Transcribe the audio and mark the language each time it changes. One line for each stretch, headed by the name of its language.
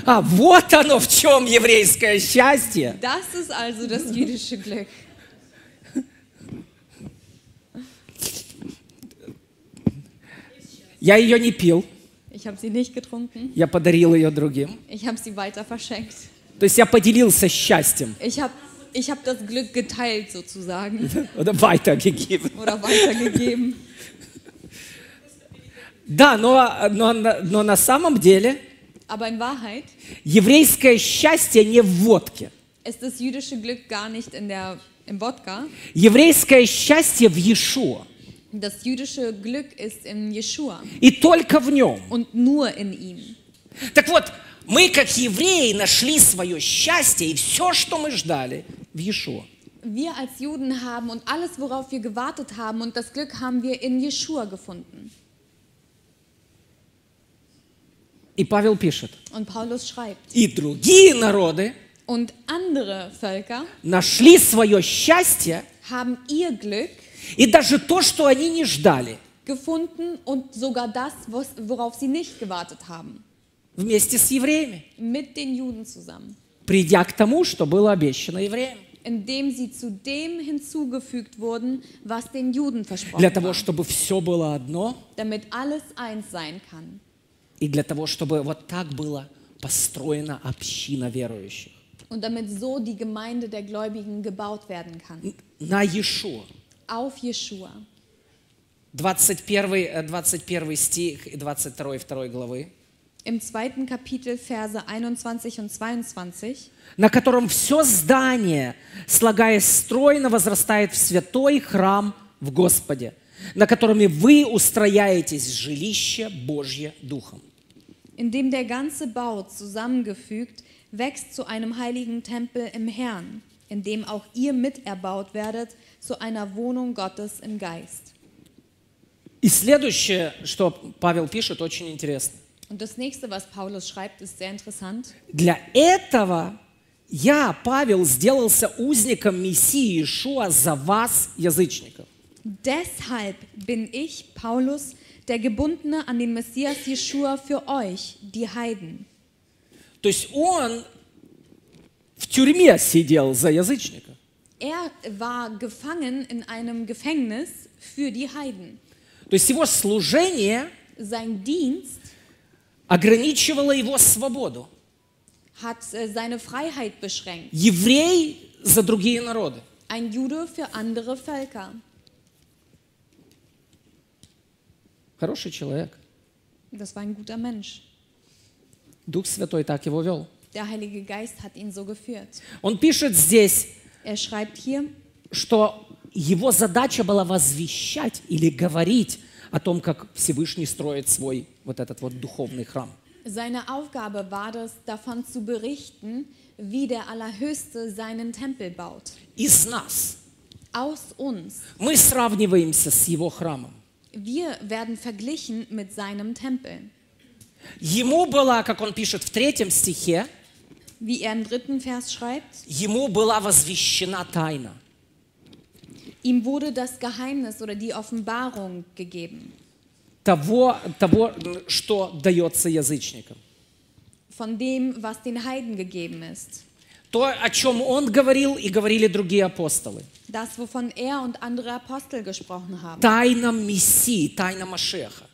Russian: А вот оно в чем еврейское счастье.
German: Das ist also das jüdische Glück.
Russian: Я ее не пил.
German: Ich habe sie nicht getrunken.
Russian: Я подарил ее другим.
German: Ich habe sie weiter verschenkt.
Russian: То есть я поделился счастьем.
German: Ich habe das Glück geteilt, sozusagen. Oder weitergegeben. Oder weitergegeben.
Russian: Да, но на самом деле.
German: Aber in Wahrheit.
Russian: Еврейское счастье не в водке.
German: Ist das jüdische Glück gar nicht in der im Wodka?
Russian: Еврейское счастье в Иешуа.
German: Das jüdische Glück ist in Yeshua.
Russian: И только в нем.
German: Und nur in ihm.
Russian: Так вот. Мы, как евреи, нашли свое счастье и все, что мы ждали, в Иешуа.
German: Wir als Juden haben und alles, worauf wir gewartet haben und das Glück haben wir in Yeshua gefunden.
Russian: И Павел пишет.
German: Und Paulus schreibt.
Russian: И другие народы
German: und andere Völker
Russian: нашли свое счастье
German: haben ihr Glück
Russian: и даже то, что они не ждали
German: gefunden und sogar das, worauf sie nicht gewartet haben.
Russian: Вместе с евреями.
German: Mit den Juden zusammen.
Russian: Придя к тому, что было обещано евреям.
German: Indem sie zu dem hinzugefügt wurden, was den Juden versprochen war.
Russian: Для того, чтобы все было одно.
German: Damit alles eins sein kann.
Russian: И для того, чтобы вот так была построена община верующих.
German: Und damit so die Gemeinde der Gläubigen gebaut werden kann.
Russian: На Иешуа.
German: Auf Иешуа.
Russian: 21 стих и 22 главы.
German: Im zweiten Kapitel Verse 21 und 22.
Russian: На котором все здание, слагаясь стройно, возрастает в святой храм в Господе, на котором вы устрояетесь жилище Божье духом.
German: In dem der ganze Bau zusammengefügt wächst zu einem heiligen Tempel im Herrn, in dem auch ihr miterbaut werdet zu einer Wohnung Gottes im Geist.
Russian: И следующее, что Павел пишет, очень интересно.
German: Und das nächste, was Paulus schreibt, ist sehr interessant.
Russian: Для этого я, Павел, сделался узником Мессии Иешуа за вас, язычников.
German: Deshalb bin ich, Paulus, der Gebundene an den Messias Иешуа für euch, die Heiden.
Russian: То есть он в тюрьме сидел за язычника.
German: Er war gefangen in einem Gefängnis für die Heiden.
Russian: То есть его служение
German: sein Dienst
Russian: ограничивало его свободу.
German: Hat seine Freiheit beschränkt.
Russian: Еврей за другие народы.
German: Ein Jude für andere Völker.
Russian: Хороший человек.
German: Das war ein guter Mensch.
Russian: Дух Святой так его вел.
German: Der Heilige Geist hat ihn so geführt.
Russian: Он пишет здесь,
German: er schreibt hier,
Russian: что его задача была возвещать или говорить о том, как Всевышний строит свой вот этот вот духовный храм.
German: Seine Aufgabe war das, davon zu berichten, wie der Allerhöchste seinen Tempel baut.
Russian: Из нас.
German: Aus uns.
Russian: Мы сравниваемся с его храмом.
German: Wir werden verglichen mit seinem Tempel.
Russian: Ему была, как он пишет в третьем стихе,
German: wie er im dritten Vers schreibt,
Russian: ему была возвещена тайна.
German: Ihm wurde das Geheimnis oder die Offenbarung gegeben.
Russian: Того, что дается язычникам.
German: Von dem, was den Heiden gegeben ist.
Russian: То, о чем он говорил и говорили другие апостолы.
German: Das, wovon er und andere Apostel gesprochen haben.
Russian: Тайна Мессии, тайна Машеха.